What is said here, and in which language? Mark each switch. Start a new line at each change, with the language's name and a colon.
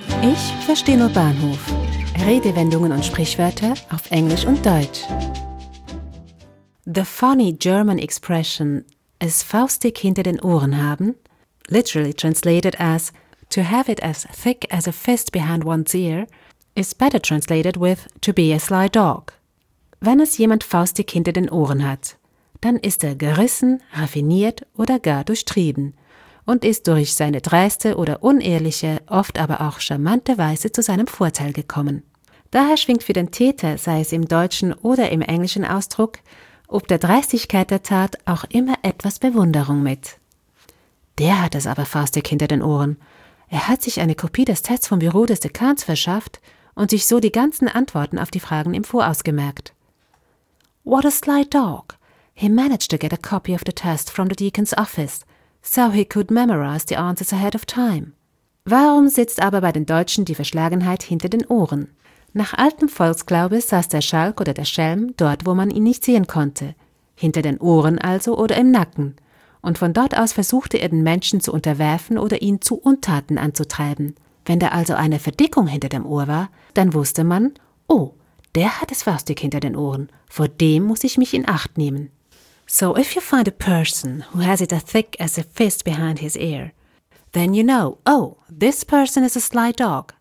German: Ich verstehe nur Bahnhof. Redewendungen und Sprichwörter auf Englisch und Deutsch.
English: The funny German expression,
German: es faustig hinter den Ohren haben,
English: literally translated as to have it as thick as a fist behind one's ear, is better translated with to be a sly dog.
German: Wenn es jemand faustig hinter den Ohren hat, dann ist er gerissen, raffiniert oder gar durchtrieben und ist durch seine dreiste oder unehrliche, oft aber auch charmante Weise zu seinem Vorteil gekommen. Daher schwingt für den Täter, sei es im deutschen oder im englischen Ausdruck, ob der Dreistigkeit der Tat auch immer etwas Bewunderung mit. Der hat es aber faustig hinter den Ohren. Er hat sich eine Kopie des Tests vom Büro des Dekans verschafft und sich so die ganzen Antworten auf die Fragen im Voraus gemerkt.
English: What a sly dog! He managed to get a copy of the test from the Deacon's office, so he could memorize the answers ahead of time.
German: Warum sitzt aber bei den Deutschen die Verschlagenheit hinter den Ohren? Nach altem Volksglaube saß der Schalk oder der Schelm dort, wo man ihn nicht sehen konnte. Hinter den Ohren also oder im Nacken. Und von dort aus versuchte er, den Menschen zu unterwerfen oder ihn zu Untaten anzutreiben. Wenn da also eine Verdickung hinter dem Ohr war, dann wusste man, oh, der hat es faustig hinter den Ohren. Vor dem muss ich mich in Acht nehmen.
English: So if you find a person who has it as thick as a fist behind his ear, then you know, oh, this person is a sly dog.